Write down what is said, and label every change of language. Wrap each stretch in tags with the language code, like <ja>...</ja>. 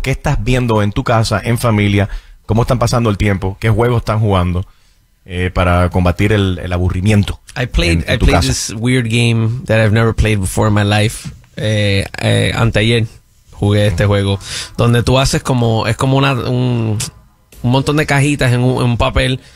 <es>¿Qué estás viendo en tu casa, en familia? ¿Cómo están pasando el tiempo? ¿Qué juegos están jugando para combatir el aburrimiento?</es> <en>I played</en> <es>casa.</es> <en>This weird game that I've never played before in my life.</en> <es>Anteayer jugué este juego donde tú haces como es como una un montón de cajitas en un papel.</es>